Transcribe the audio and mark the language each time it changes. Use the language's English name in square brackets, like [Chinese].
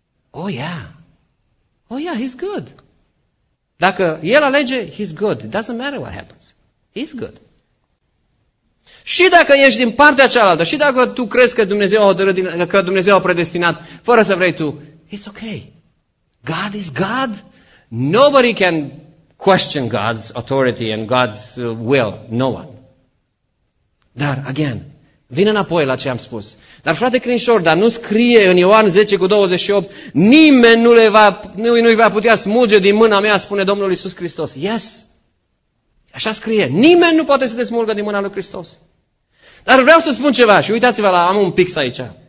[English] Oh yeah. Oh yeah, He's good. [Romanian] Dacă El alege, [English] He's good. It doesn't matter what happens. He's good. [Romanian] Și dacă ești din partea cealaltă, și dacă tu crezi că Dumnezeu a hotărât, că Dumnezeu a predestinat, fără să vrei tu, [English] it's okay. God is God. Nobody can question God's authority and God's will. No one. [Romanian] Dar, again, vine înapoi la ce am spus. Dar frate Crinșor, dar nu scrie în Ioan 10:28, nimeni nu-i va putea smulge din mâna mea, spune Domnul Iisus Hristos. Yes! Așa scrie. Nimeni nu poate să te smulgă din mâna lui Hristos. Dar vreau să spun ceva și uitați-vă la, am un pix aici.